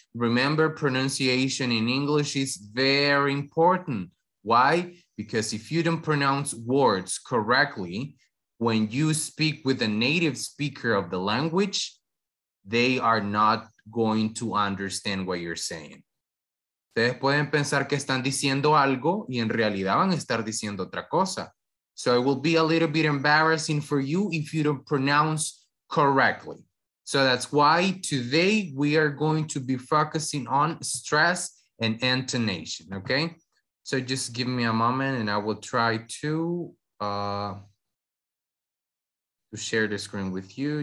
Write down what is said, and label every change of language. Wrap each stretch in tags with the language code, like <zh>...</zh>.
<en>Remember, pronunciation in English is very important. Why? Because if you don't pronounce words correctly, when you speak with a native speaker of the language, they are not going to understand what you're saying.</en> <es>Ustedes pueden pensar que están diciendo algo y en realidad van a estar diciendo otra cosa.</es> <en>So it will be a little bit embarrassing for you if you don't pronounce correctly. So that's why today we are going to be focusing on stress and intonation, okay? So just give me a moment and I will try to share the screen with you.</en>